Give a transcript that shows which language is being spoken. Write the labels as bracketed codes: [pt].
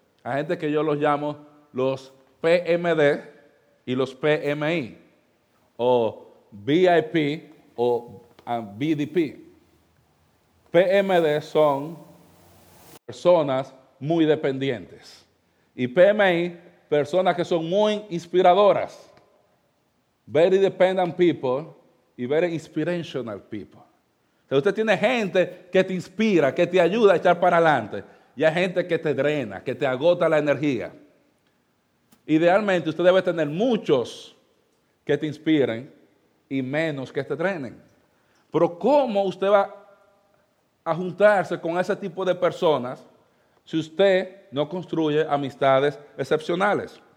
[es] Hay gente que yo los llamo los PMD y los PMI, o VIP o BDP. PMD son personas muy dependientes. Y PMI, personas que son muy inspiradoras. [en] Very dependent people y very inspirational people. [es] O sea, usted tiene gente que te inspira, que te ayuda a echar para adelante. Y hay gente que te drena, que te agota la energía. Idealmente, usted debe tener muchos que te inspiren y menos que te drenen. Pero ¿cómo usted va a juntarse con ese tipo de personas si usted no construye amistades excepcionales?